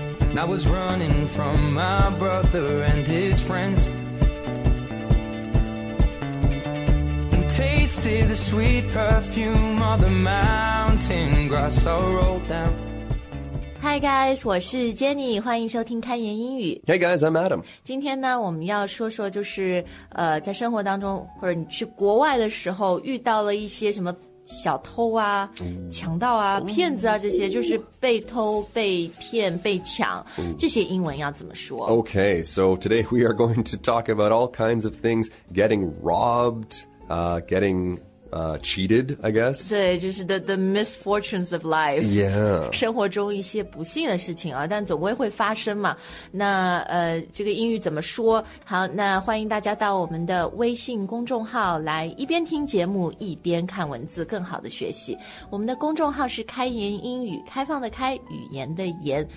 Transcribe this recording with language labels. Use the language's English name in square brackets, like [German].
[English] And I was running from my brother and his friends. And tasted the sweet perfume of the mountain grass I rolled down. Hi guys, [Chinese] 我是 Jenny, 欢迎收听开言英语。 [English] Hey guys, I'm Adam. [Chinese] 今天呢我们要说说就是在生活当中或者你去国外的时候遇到了一些什么小偷啊、强盗啊、骗子啊这些就是被偷、被骗、被抢这些英文要怎么说 [English] Okay, so today we are going to talk about all kinds of things, getting robbed, getting cheated, I guess. [Chinese] 对，就是 [English] the misfortunes of life. Yeah. [Chinese] 生活中一些不幸的事情啊，但总归会发生嘛。那这个英语怎么说？好，那欢迎大家到我们的微信公众号来一边听节目一边看文字，更好的学习。我们的公众号是开言英语，开放的开，语言的言。